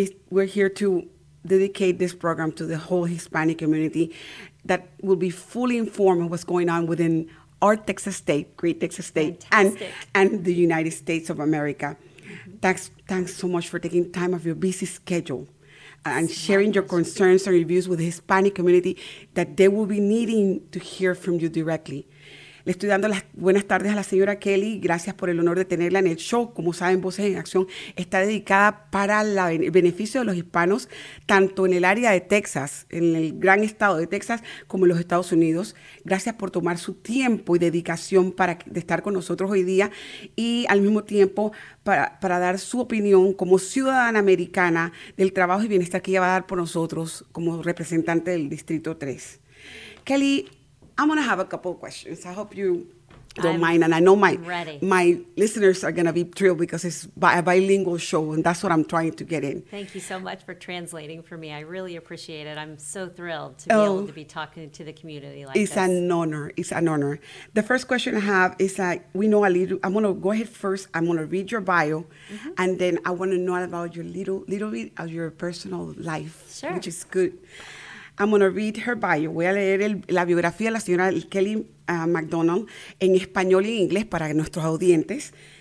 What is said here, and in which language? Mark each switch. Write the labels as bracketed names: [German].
[English] We're here to dedicate this program to the whole Hispanic community that will be fully informed of what's going on within our Texas state, Great Texas State, and the United States of America. Mm-hmm. Thanks so much for taking time of your busy schedule and sharing your concerns and reviews with the Hispanic community that they will be needing to hear from you directly. [Spanish] Le estoy dando las buenas tardes a la señora Kelly. Gracias por el honor de tenerla en el show. Como saben, Voces en Acción está dedicada para el beneficio de los hispanos, tanto en el área de Texas, en el gran estado de Texas, como en los Estados Unidos. Gracias por tomar su tiempo y dedicación para de estar con nosotros hoy día y al mismo tiempo para dar su opinión como ciudadana americana del trabajo y bienestar que ella va a dar por nosotros como representante del Distrito 3. [English] Kelly, I'm going to have a couple of questions. I hope you don't mind. And I know my listeners are going to be thrilled because it's a bilingual show, and that's what I'm trying to get in. Thank you so much for translating for me. I really appreciate it. I'm so thrilled to be able to be talking to the community like this. It's an honor. The first question I have is that we know a little. I'm going to go ahead first. I'm going to read your bio, and then I want to know about your little bit of your personal life, sure. Which is good. I'm going to read her bio. [Spanish] Voy a leer la biografía de la señora Kelly McDonald en español y en inglés para nuestros audientes.